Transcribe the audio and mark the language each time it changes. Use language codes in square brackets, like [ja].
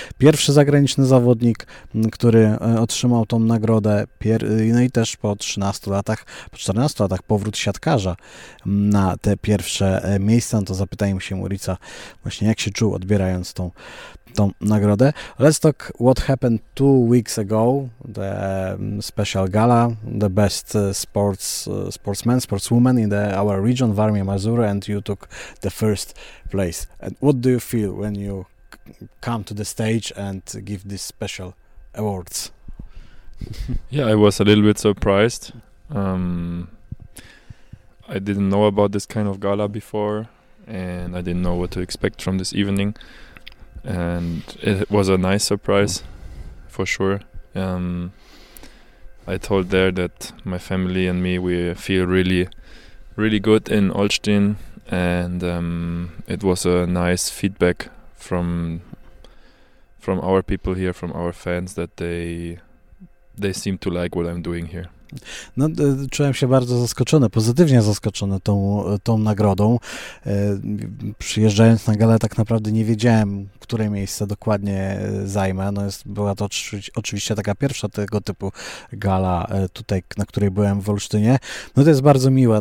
[pl] Pierwszy zagraniczny zawodnik, który otrzymał tą nagrodę. No i też po 13 latach, po 14 latach powrót siatkarza na te pierwsze miejsca. No to zapytajmy się Moritza właśnie, jak się czuł, odbierając tą nagrodę. [en] Let's talk what happened 2 weeks ago, the special gala, the best sportsman, sportswoman in our region, Warmia Mazura, and you took the first place. And what do you feel when you come to the stage and give this special awards? Yeah, I was a little bit surprised. I didn't know about this kind of gala before, and I didn't know what to expect from this evening. And it was a nice surprise, for sure. I told there that my family and me, we feel really, really good in Olsztyn. And it was a nice feedback from our people here, from our fans, that they seem to like what I'm doing here. [pl] No, czułem się bardzo zaskoczony, pozytywnie zaskoczony tą nagrodą. Przyjeżdżając na galę, tak naprawdę nie wiedziałem, które miejsce dokładnie zajmę. No była to oczywiście taka pierwsza tego typu gala tutaj, na której byłem w Olsztynie. No to jest bardzo miłe.